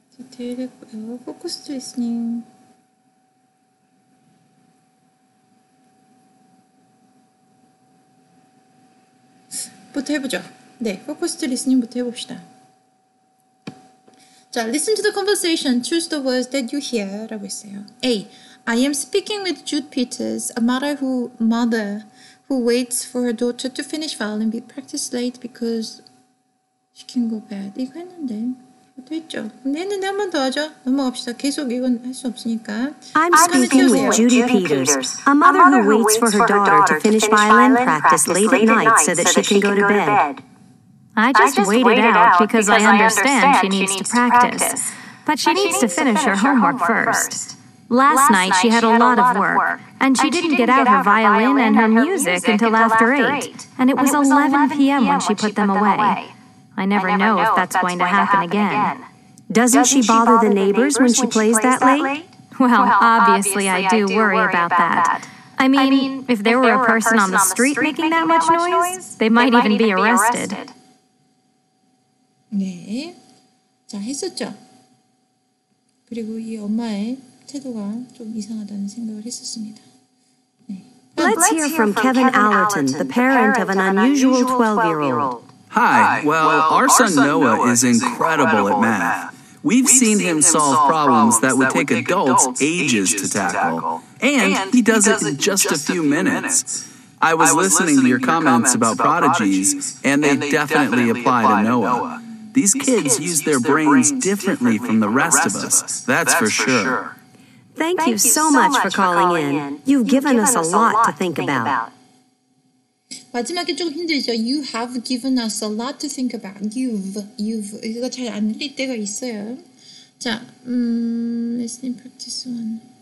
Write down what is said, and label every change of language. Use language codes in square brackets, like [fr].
[ko] 디테일 했고요. 포커스트 리스닝 부터 해보죠. 네, 포커스트 리스닝 부터 해봅시다. [en] 자, listen to the conversation. Choose the words that you hear. [ko] 라고 했어요. A. [en] I am speaking with Jude Peters, a mother who waits for her daughter to finish violin practice late because she can go bad. 이거 했는데. [ko] 됐죠. 근데 했는데 한 번 더 하죠. 넘어갑시다. 계속 이건 할 수 없으니까. [en] I'm speaking with Judy Peters, a mother who waits for her daughter to finish violin practice late at night so that she can go to bed. I just waited out because I understand she needs to practice, but she needs to finish her homework first. Last night she had a lot of work, and she didn't get out her violin and her music until after 8, and it was 11 p.m. when she put them away. I never know if that's going to happen again. Doesn't she bother the neighbors when she plays that late? Well, obviously I do worry about that. I mean, if there were a person on the street making that much noise, they might even be arrested. [ko] 네. 자, 했었죠. 그리고 이 엄마의 태도가 좀 이상하다는 생각을 했었습니다. 네. [en] Let's hear from Kevin Allerton, the parent of an unusual 12-year-old. Hi. Well, our son Noah is incredible at math. We've seen him solve problems that would take adults ages to tackle. And he does it in just a few minutes. I was listening to your comments about prodigies, and they definitely apply to Noah. These kids use their brains differently from the rest of us, that's for sure. Thank you so much for calling in. You've given us a lot to think about. [ko] 마지막에 조금 힘들죠. [en] You have given us a lot to think about. [ko] You've 이거 잘 안 들릴 때가 있어요. [en] 자, listening practice one.